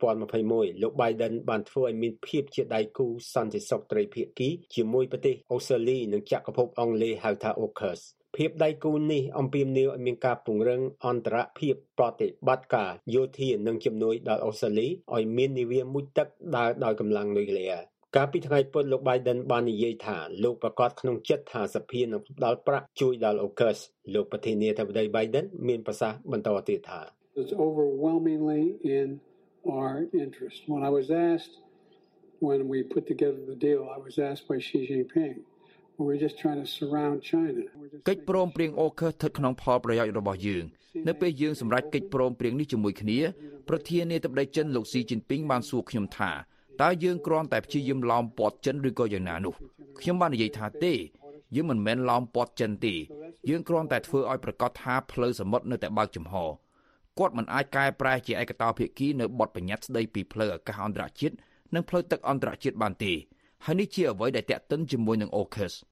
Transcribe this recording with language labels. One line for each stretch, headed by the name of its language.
Khmer: 2021លោក Biden បានធ្វើឲ្យមានភាពជាដៃគូសន្តិសុខត្រីភាគីជាមួយប្រទេសអូស្ត្រាលីនិងចក្រភពអង់គ្លេសហៅថា AUKUS ភាពដៃគូនេះអំពីមានឲ្យមានការពង្រឹងអន្តរភាពប្រតិបត្តិការយោធានិងជំនួយដល់អូស្ត្រាលីឲ្យមាននាវាមួយទឹកដើរដោយកម្លាំងនុយក្លេអ៊ែរកាលពីថ្ងៃពុធលោក Biden បាននិយាយថាលោកប្រកាសក្នុងចិត្តថាសភានឹងផ្តល់ប្រាក់ជួយដល់ AUKUS លោកប្រធានាធិបតី Biden មានប្រសាសន៍បន្តទៀតថា
English: It's overwhelmingly in our interest. When I was asked, when we put together the deal, I was asked by Xi Jinping, we're just trying to surround China.
Khmer: កិច្ចព្រមព្រៀងអូឃើសស្ថិតក្នុងផលប្រយោជន៍របស់យើងនៅពេលយើងសម្រេចកិច្ចព្រមព្រៀងនេះជាមួយគ្នាប្រធានាធិបតីចិនលោកស៊ីជីនពីងបានសួរខ្ញុំថាតើយើងគ្រាន់តែព្យាយាមឡោមព័ទ្ធចិនឬក៏យ៉ាងណានោះខ្ញុំបាននិយាយថាទេយើងមិនមែនឡោមព័ទ្ធចិនទេយើងគ្រាន់តែធ្វើឲ្យប្រកាសថាផ្លូវសមុទ្រនៅតែបើកចំហគាត់មិនអាចកែប្រែជាឯកតោភាគីនៅបទបញ្ញត្តិស្ដីពីផ្លូវអាកាសអន្តរជាតិនិងផ្លូវទឹកអន្តរជាតិបានទេហើយនេះជាអ្វីដែលតាក់ទិនជាមួយនឹង AUKUS